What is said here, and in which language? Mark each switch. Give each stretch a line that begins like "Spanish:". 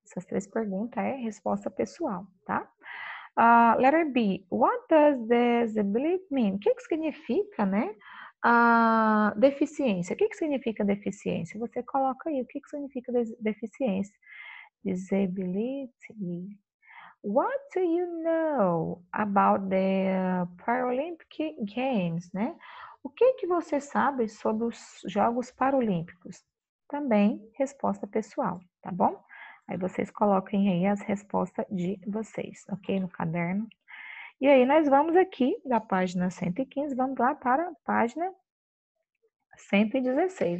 Portuguese: Essas três perguntas é resposta pessoal, tá?
English: Letter B. What does disability mean?
Portuguese: O que que significa, né? Deficiência. O que que significa deficiência? Você coloca aí o que que significa deficiência.
English: Disability. What do you know about the Paralympic Games, né?
Portuguese: O que que você sabe sobre os Jogos Paralímpicos? Também resposta pessoal, tá bom? Aí vocês coloquem aí as respostas de vocês, ok? No caderno. E aí nós vamos aqui da página 115, vamos lá para a página 116.